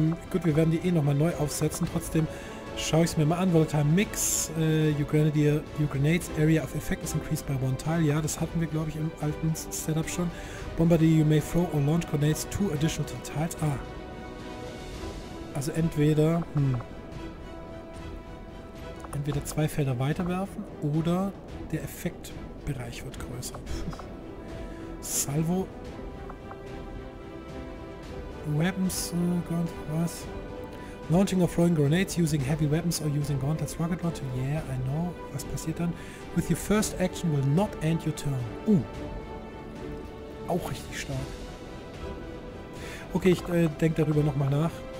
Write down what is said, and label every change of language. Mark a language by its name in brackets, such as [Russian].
[German] Gut, wir werden die eh nochmal neu aufsetzen. Trotzdem schaue ich es mir mal an. [English] Volatile Mix, your grenades area of effect is increased by one tile. [German] Ja, das hatten wir, glaube ich, im alten Setup schon. [English] Bombardier, you may throw or launch grenades two additional to tiles. Ah. [German] Also entweder entweder zwei Felder weiterwerfen oder der Effektbereich wird größer. [English] Salvo. Weapons, Gauntlet, was? Launching or throwing grenades using heavy weapons or using Gauntlet's rocket launcher. Yeah, I know. [German] Was passiert dann? [English] With your first action will not end your turn. [German] Auch richtig stark. Okay, ich denke darüber nochmal nach.